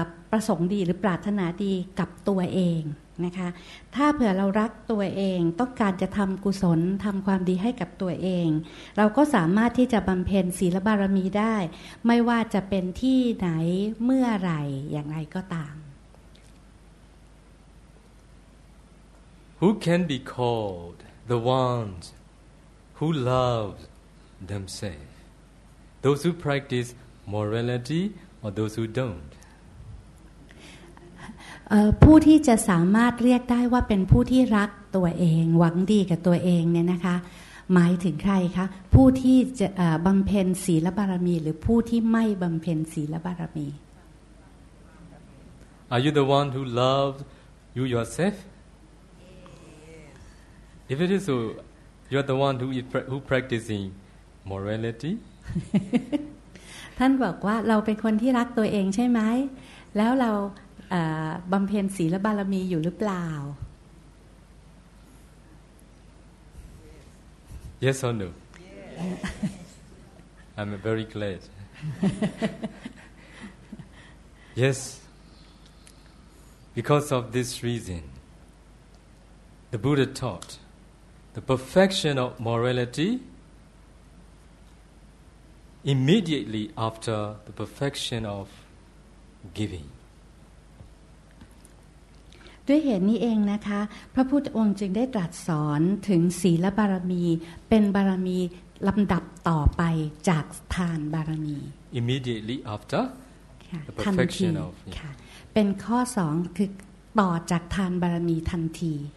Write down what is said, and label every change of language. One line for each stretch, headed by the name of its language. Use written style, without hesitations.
Thai: ประสงค์ดีหรือปรารถนาดีกับตัวเองนะคะถ้าเผื่อเรารักตัวเองต้องการจะทำกุศลทำความดีให้กับตัวเองเราก็สามารถที่จะบำเพ็ญศีลบารมีได้ไม่ว่าจะเป็นที่ไหนเมื่อไรอย่างไรก็ตาม
English: Who can be called the ones who love themselves those who practice morality or those who don't
Thai: ผู้ที่จะสามารถเรียกได้ว่าเป็นผู้ที่รักตัวเองหวังดีกับตัวเองเนี่ยนะคะหมายถึงใครคะผู้ที่จะบำเพ็ญศีลบารมีหรือผู้ที่ไม่บำเพ็ญศีลบารมี
English: Are you the one who loves you yourself? If it is so, you are the one who practicing morality.
Thai: ท่านบอกว่าเราเป็นคนที่รักตัวเองใช่ไหมแล้วเราบำเพ็ญศีลบารมีอยู่หรือเปล่า
English: Yes or no yes. I'm very glad Yes Because of this reason The Buddha taught The perfection of morality Immediately after The perfection of giving
Thai: ด้วยเหตุนี้เองนะคะพระพุทธองค์จึงได้ตรัสสอนถึงศีลบารมีเป็นบารมีลำดับต่อไปจากทานบารมี
English: immediately after the perfection of
Thai: เป็นข้อ2คือต่อจากทานบารมีทันที